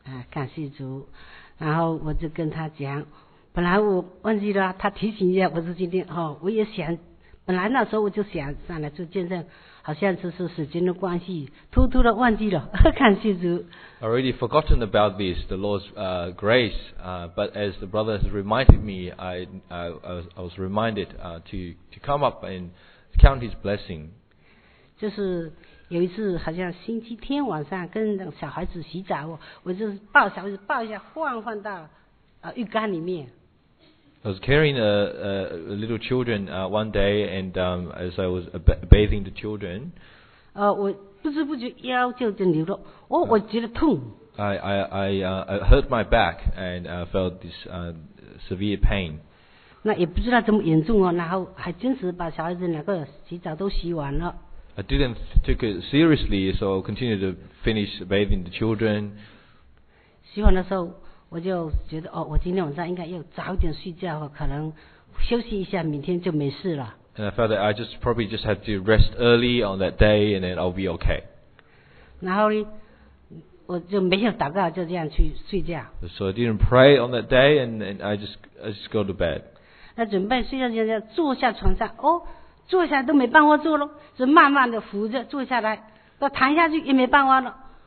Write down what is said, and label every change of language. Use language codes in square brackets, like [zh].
[zh] 感谢主，然后我就跟他讲。本来我忘记了，他提醒一下，我说今天哈、哦，我也想，本来那时候我就想上来做见证，好像只是时间的关系，偷偷的忘记了，感谢主。 [en] Already forgotten about this, the Lord's grace. But as the brother has reminded me, I was reminded to come up and count His blessing. [zh] 就是有一次，好像星期天晚上跟小孩子洗澡，我就抱小孩子抱一下，晃到。浴缸里面。 [en] I was carrying a little children one day, and as I was bathing the children, [zh] 我不知不觉腰就扭了，我觉得痛。 [en] I hurt my back and felt this severe pain. [zh] 那也不知道这么严重哦，然后还坚持把小孩子两个洗澡都洗完了。 [en] I didn't take it seriously, so I continued to finish bathing the children. [zh] 洗完的时候。我就觉得哦，我今天晚上应该要早点睡觉，可能休息一下，明天就没事了。 [en] And I felt that I just probably just have to rest early on that day, and then I'll be okay. [zh] 然后呢，我就没有祷告，就这样去睡觉。 [en] So I didn't pray on that day, and I just go to bed. [zh] 那准备睡觉之前，坐下床上，哦，坐下来都没办法坐喽，就慢慢的扶着坐下来，那躺下去也没办法了，